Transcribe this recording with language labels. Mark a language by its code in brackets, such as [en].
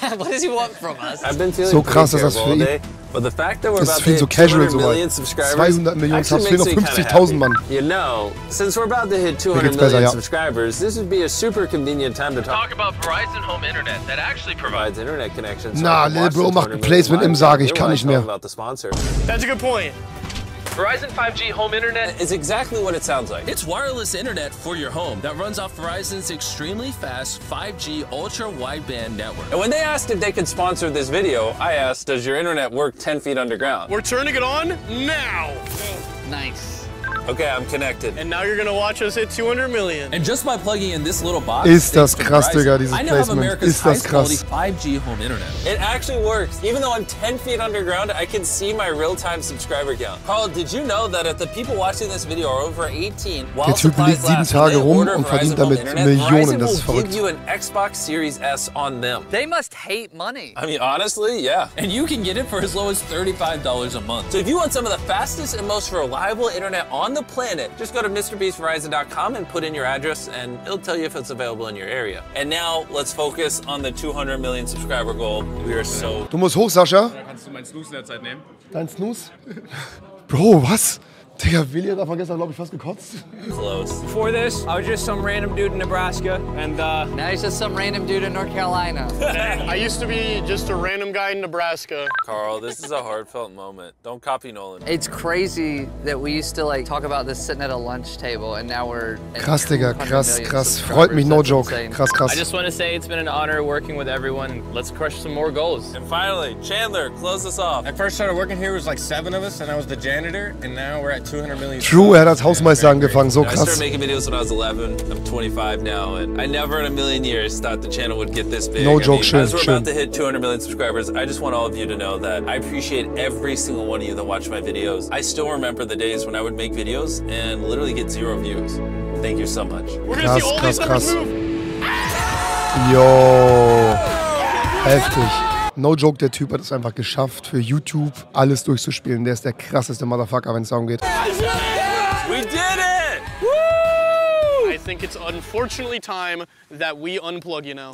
[en] What does he want from us? I've been feeling so crass, [de] dass das für ihn. [en] But the fact that we're about to hit 200 million subscribers actually makes me kind of happy. You know, since we're about to hit 200 million subscribers, this would be a super convenient time to talk about Verizon Home Internet that actually provides internet connections. [de] Na, [en] Lil Bro [de] macht ein Placement im Sage, ich kann nicht mehr. [en] That's a good point. Verizon 5G Home Internet is exactly what it sounds like. It's wireless internet for your home that runs off Verizon's extremely fast 5G ultra wideband network. And when they asked if they could sponsor this video, I asked, does your internet work 10 feet underground? We're turning it on now. Nice. Okay, I'm connected. And now you're gonna watch us hit 200 million. And just by plugging in this little box, [de] ist das krass, Digga, dieses Placement. [en] I now have America's highest quality 5G home internet. It actually works. Even though I'm 10 feet underground, I can see my real-time subscriber count. Carl, did you know that if the people watching this video are over 18, while [de] der Typ liegt 7 Tage rum und verdient damit Millionen, das ist verrückt. [en] Verizon will give you an Xbox Series S on them. They must hate money. I mean, honestly, yeah. And you can get it for as low as $35 a month. So if you want some of the fastest and most reliable internet on the planet, just go to MrBeastVerizon.com and put in your address and it'll tell you if it's available in your area. And now let's focus on the 200 million subscriber goal. We are so... [de] Du musst hoch, Sascha. Kannst du meinen Snooze in der Zeit nehmen? Dein Snooze? Bro, was? Digga, Willi hat davon gestern, glaube ich, fast gekotzt. [en] Close. Before this, I was just some random dude in Nebraska. And now he's just some random dude in North Carolina. I used to be just a random guy in Nebraska. Carl, this is a heartfelt moment. Don't copy Nolan. It's crazy that we used to like talk about this sitting at a lunch table and now we're... [de] Krass, Digga, krass, krass. Freut mich, [en] no joke. [de] Insane. Krass, krass. [en] I just want to say it's been an honor working with everyone. Let's crush some more goals. And finally, Chandler, close us off. I first started working here, it was like 7 of us and I was the janitor and now we're at 200 million. True, [de] er hat als Hausmeister angefangen, so krass. [en] I started making videos when I was 11. I'm 25 now and I never in a million years thought the channel would get this big. No joke, [de] schön, schön. [en] As we're about to hit 200 million subscribers, I just want all of you to know that I appreciate every single one of you that watch my videos. I still remember the days when I would make videos and literally get 0 views. Thank you so much. [de] Krass, krass, krass. Yo. Heftig. [en] No joke, [de] der Typ hat es einfach geschafft, für YouTube alles durchzuspielen. Der ist der krasseste Motherfucker, wenn es darum geht. [en] We did it! Woo! I think it's unfortunately time that we unplug, you know.